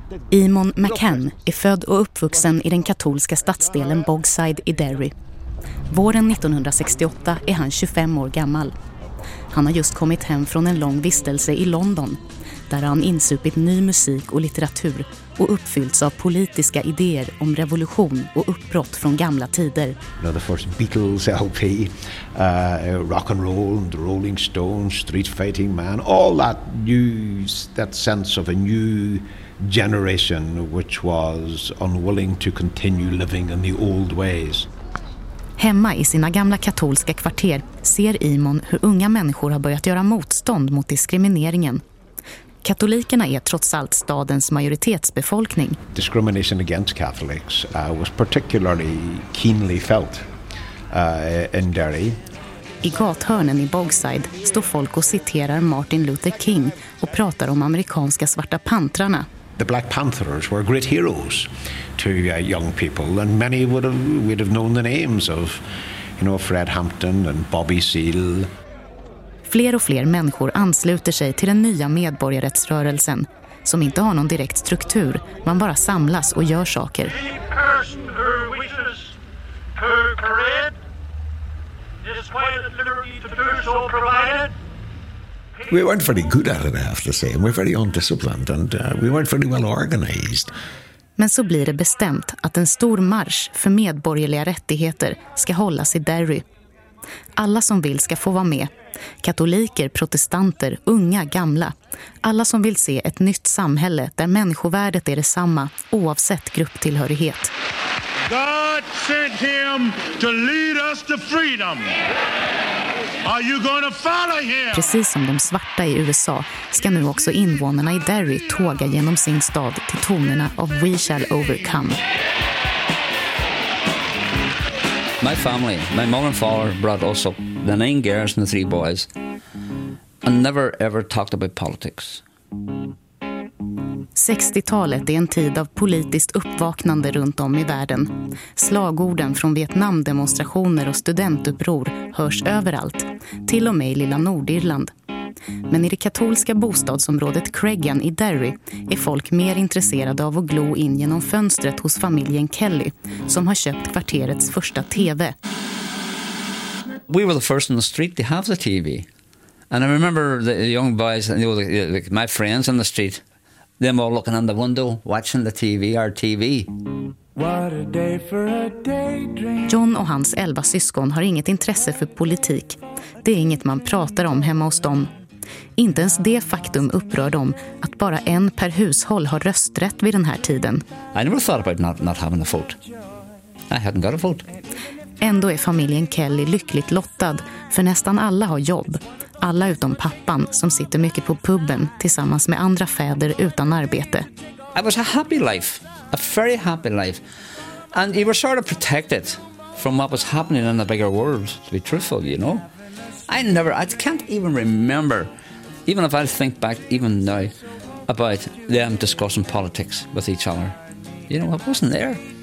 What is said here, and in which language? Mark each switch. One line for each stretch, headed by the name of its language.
Swedish: Eamon McCann är född och uppvuxen i den katolska stadsdelen Bogside i Derry. Våren 1968 är han 25 år gammal. Han har just kommit hem från en lång vistelse i London, där han insupit ny musik och litteratur och uppfyllts av politiska idéer om revolution och uppbrott från gamla tider.
English: The first Beatles LP, rock and roll, and Rolling Stones, Street Fighting Man, all that news, that sense of a new generation which was unwilling to continue living in the old ways.
Swedish: Hemma i sina gamla katolska kvarter ser Eamon hur unga människor har börjat göra motstånd mot diskrimineringen. Katolikerna är trots allt stadens majoritetsbefolkning.
English: Discrimination against Catholics was particularly keenly felt in Derry.
Swedish: I gathörnen i Bogside står folk och citerar Martin Luther King och pratar om amerikanska svarta pantrarna.
English: The Black Panthers were great heroes to young people, and many would have known the names of, you know, Fred Hampton and Bobby Seale.
Swedish: Fler och fler människor ansluter sig till den nya medborgarrättsrörelsen, som inte har någon direkt struktur. Man bara samlas och gör saker.
English: Any person who wishes to parade is quite at liberty to do so, provided. We weren't very good at it, I have to say. We're very undisciplined and we weren't very well organized.
Swedish: Men så blir det bestämt att en stor marsch för medborgerliga rättigheter ska hållas i Derry. Alla som vill ska få vara med. Katoliker, protestanter, unga, gamla. Alla som vill se ett nytt samhälle där människovärdet är detsamma oavsett grupptillhörighet.
English: God sent him to lead us to freedom. Are you going to follow him?
Swedish: Precis som de svarta i USA ska nu också invånarna i Derry tåga genom sin stad till tonerna av We Shall Overcome.
English: My family, my mom and father brought us up, the 9 girls and the 3 boys, and never ever talked about politics.
Swedish: 60-talet är en tid av politiskt uppvaknande runt om i världen. Slagorden från Vietnamdemonstrationer och studentuppror hörs överallt, till och med i lilla Nordirland. Men i det katolska bostadsområdet Craigan i Derry är folk mer intresserade av att glo in genom fönstret hos familjen Kelly, som har köpt kvarterets första TV.
English: We were the first in the street to have the TV. And I remember the young boys, you know, my friends on the street, them all looking in the window, watching the TV, our TV. What a day for a daydream.
Swedish: John och hans 11 syskon har inget intresse för politik. Det är inget man pratar om hemma hos dem. Inte ens det faktum upprör dem att bara en per hushåll har rösträtt vid den här tiden.
English: I never thought about not having a vote. I hadn't got a vote.
Swedish: Ändå är familjen Kelly lyckligt lottad, för nästan alla har jobb. Alla utom pappan, som sitter mycket på puben tillsammans med andra fäder utan arbete.
English: It was a happy life, a very happy life. And you were sort of protected from what was happening in the bigger world, to be truthful, you know. I can't even remember, even if I think back even now, about them discussing politics with each other. You know, I wasn't there.